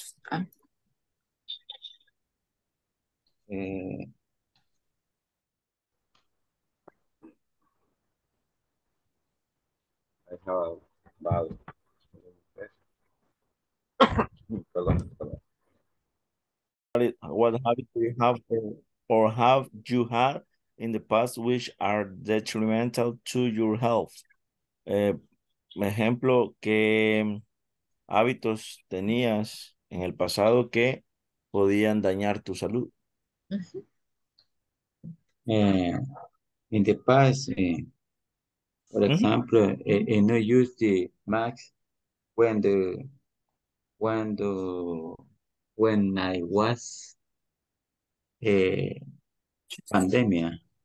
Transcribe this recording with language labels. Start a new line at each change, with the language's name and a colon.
English: I have a bad. What habits do you have or have you had in the past which are detrimental to your health?
Spanish: Ejemplo, ¿qué hábitos tenías en el pasado que podían dañar tu salud?
English: In the past, for example, I no use the mask when I was pandemia.